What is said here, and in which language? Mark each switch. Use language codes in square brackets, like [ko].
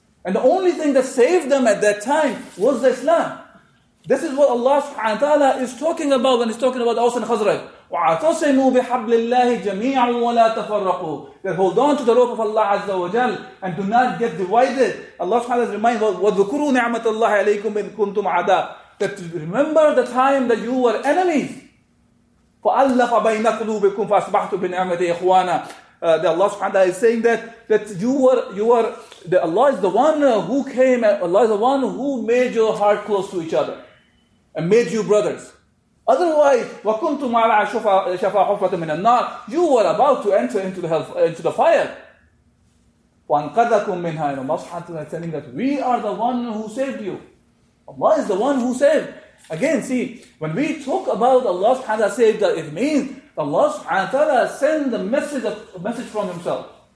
[en] And the only thing that saved them at that time was the Islam. This is what Allah subhanahu wa ta'ala is talking about when he's talking about Aws and Khazraj. [ar] وَعَتَصِمُوا بِحَبْلِ اللَّهِ جَمِيعًا وَلَا تَفَرَّقُوا. [en] That hold on to the rope of Allah Azza wa Jal and do not get divided. Allah subhanahu wa ta'ala reminds us, [ar] وَذُكُرُوا نِعْمَةَ اللَّهِ عَلَيْكُمْ إِن كُنْتُمْ عَدَاءً. [en] That remember the time that you were enemies. [ar] فَأَلَّفَ بَيْنَ قُلُوبِكُمْ فَأَصْبَحْتُمْ بِنِعْمَتِهِ إِخْوَانًا. [en] That Allah subhanahu wa ta'ala is saying that you are that Allah is the one who came, Allah is the one who made your heart close to each other and made you brothers. [ar] Otherwise, وَكُنْتُ مَعَ شَفَى حُفْرَةٍ مِنَ النَّارِ. [en] You were about to enter into the, hell, into the fire. [ar] وَأَنْقَذَكُمْ مِنْهَا. [en] And Allah subhanahu wa ta'ala is telling that we are the one who saved you. Allah is the one who saved. Again, see, when we talk about Allah subhanahu wa ta'ala saved, it means Allah subhanahu wa ta'ala sent the message, of, a message from Himself.